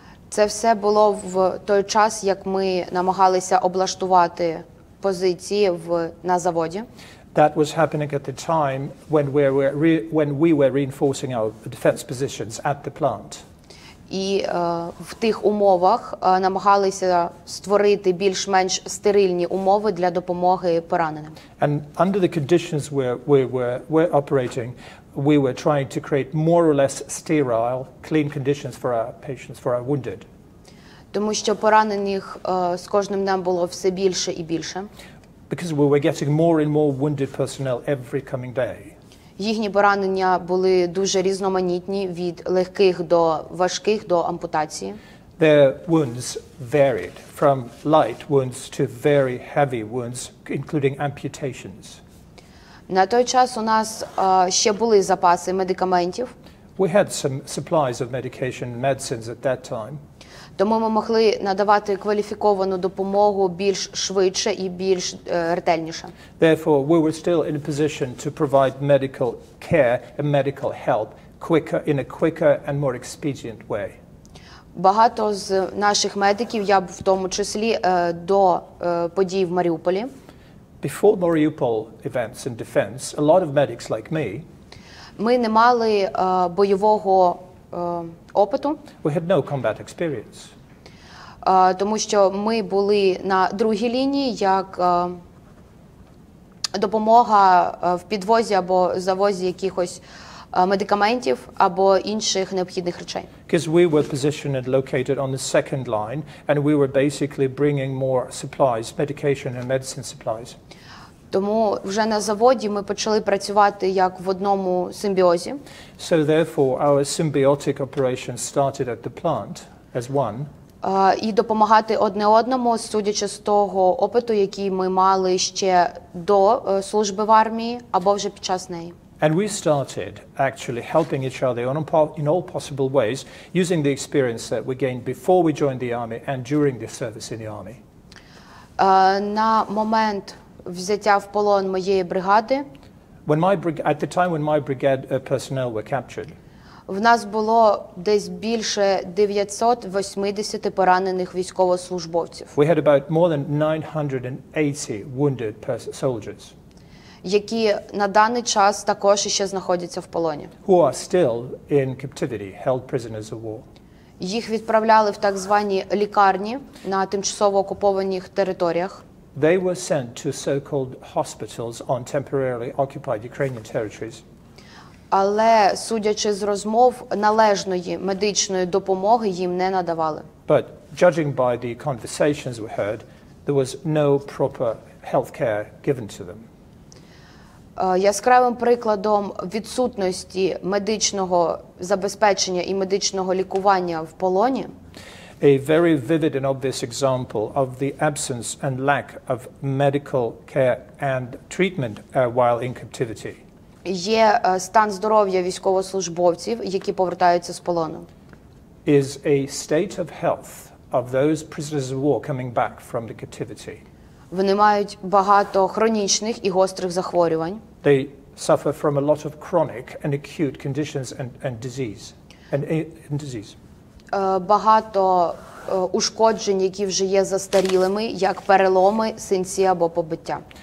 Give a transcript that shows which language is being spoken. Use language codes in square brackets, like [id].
[uk] Це все було в той час, як ми намагалися облаштувати позиції на заводі. [en] That was happening at the time when we were reinforcing our defense positions at the plant. [uk] І в тих умовах намагалися створити більш-менш стерильні умови для допомоги пораненим. [en] And under the conditions where we were operating, we were trying to create more or less sterile, clean conditions for our patients, for our wounded. [uk] Тому що поранених з кожним днем було все більше і більше. [en] Because we were getting more and more wounded personnel every coming day. [uk] Їхні поранення були дуже різноманітні, від легких до важких, до ампутації. [en] Their wounds varied from light wounds to very heavy wounds, including amputations. [uk] На той час у нас ще були запаси медикаментів. [en] We had some supplies of medication and medicines at that time. [uk] Тому ми могли надавати кваліфіковану допомогу більш швидше і більш ретельніше. [en] Therefore, we were still in a position to provide medical care and medical help quicker, in a quicker and more expedient way. [uk] Багато з наших медиків, я в тому числі, до подій в Маріуполі. [en] Before Mariupol events and defense, a lot of medics like me, [uk] ми не мали бойового опиту. [en] We had no combat experience. [uk] Тому що ми були на другій лінії, як допомога в підвозі або завозі якихось медикаментів або інших необхідних речей. [en] Because we were positioned and located on the second line, and we were basically bringing more supplies, medication and medicine supplies. [uk] Тому вже на заводі ми почали працювати як в одному симбіозі. [en] So therefore our symbiotic operation started at the plant as one. [uk] І допомагати одне одному, судячи з того опиту, який ми мали ще до служби в армії або вже під час неї. [en] And we started actually helping each other in all possible ways, using the experience that we gained before we joined the army and during the service in the army. [uk] На момент взяття в полон моєї бригади. [en] At the time when my brigade personnel were captured. [uk] В нас було десь більше 980 поранених військовослужбовців. [en] We had about more than 980 wounded soldiers. [uk] Які на даний час також ще знаходяться в полоні. [en] Who are still in captivity, held prisoners of war. [uk] Їх відправляли в так звані лікарні на тимчасово окупованих територіях. [en] They were sent to so-called hospitals on temporarily occupied Ukrainian territories. [uk] Але, судячи з розмов, належної медичної допомоги їм не надавали. [en] But judging by the conversations we heard, there was no proper health care given to them. [uk] Яскравим прикладом відсутності медичного забезпечення і медичного лікування в полоні. [en] a very vivid and obvious example of the absence and lack of medical care and treatment while in captivity. [uk] Є стан здоров'я військовослужбовців, які повертаються з полону. [en] Is a state of health of those prisoners of war coming back from the captivity. [uk] Вони мають багато хронічних і гострих захворювань. [en] They suffer from a lot of chronic and acute conditions and disease. [uk] Багато ушкоджень, які вже є застарілими, як переломи, синці або побиття.